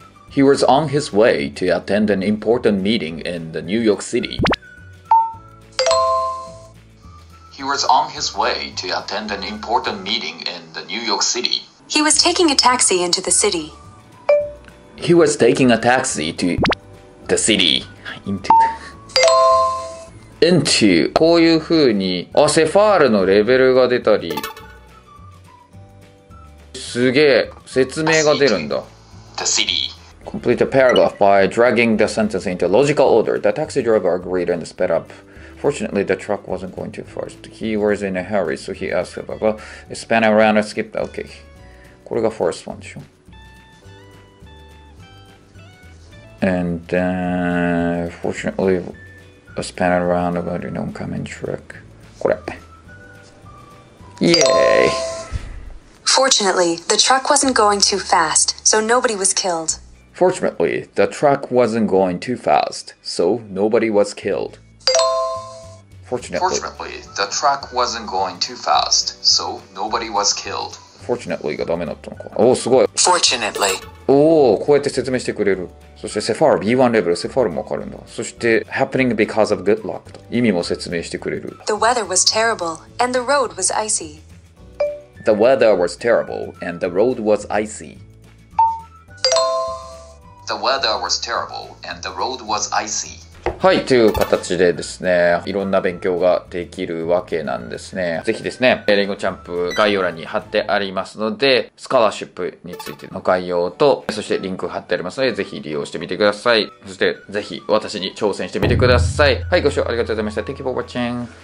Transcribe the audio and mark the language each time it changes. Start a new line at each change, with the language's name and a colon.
English: He was on his way to attend an important meeting in the New York City. He was on his way to attend an important meeting in the New York City. He was taking a taxi into the city. He was taking a taxi to the city. Into.
Japanese: こういうふうに、あ、セファールのレベルが出たり。すげえ説明が出るんだ。
English: The city. Complete the paragraph by dragging the sentence into logical order. The taxi driver agreed and sped up. Fortunately, the truck wasn't going too fast. He was in a hurry, so he asked about it. Span around and skipped. Okay.
Japanese: これが
English: first one
Japanese: でしょ。
English: And fortunately, a span around about an oncoming truck.
Japanese: これ。Yay!
English: Fortunately, the truck wasn't going too fast, so nobody was killed. Fortunately, the truck wasn't going too fast, so nobody was killed. Fortunately, the truck wasn't going too fast, so nobody was killed.
Japanese: Fortunately がダメだったのか。おー、すごい。
English: Fortunately.
Japanese: おー、こうやって説明してくれる。
English: He
Japanese: そしてセファール B1 レベル、セファールもわかるんだ。そして
English: Happening because of good luck
Japanese: と意味も説明してくれる。
English: The weather was terrible and the road was icy. The weather was terrible and the road was icy. The weather was terrible and the road was icy.
Japanese: はい、という形でですね、いろんな勉強ができるわけなんですね。ぜひですね、英語チャンプ概要欄に貼ってありますので、スカラーシップについての概要と、そしてリンク貼ってありますので、ぜひ利用してみてください。そしてぜひ私に挑戦してみてください。はい、ご視聴ありがとうございました。
English: Thank you for watching.